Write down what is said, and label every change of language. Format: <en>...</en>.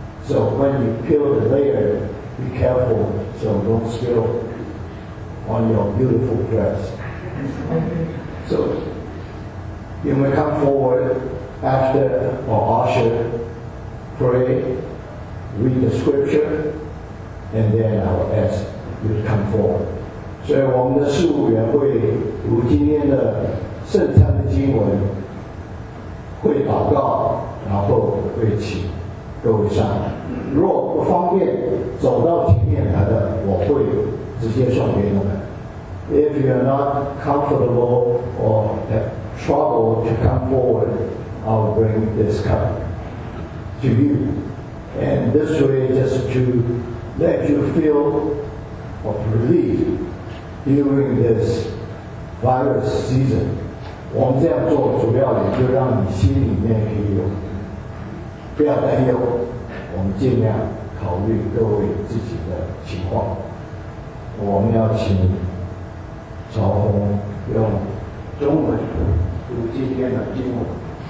<en>So when you peel the layer, be careful so don't spill on your beautiful dress. So you may come forward. After our usher pray, read the scripture, and then I will ask you to come forward.</en> <zh>所以我们的事务员会读今天的圣餐的经文，会祷告，然后会请各位上来。若不方便走到前面来的，我会直接送给你们。</zh> <en>If you are not comfortable or have trouble to come forward,I'll bring this cup to you. And this way, just to let you feel of relief during this virus season.</en> <zh>我们这样做主要也就让你心里面可以有，不要担忧，我们尽量考虑各位自己的情况。我们要请曹红用中文读今天的经文。</zh>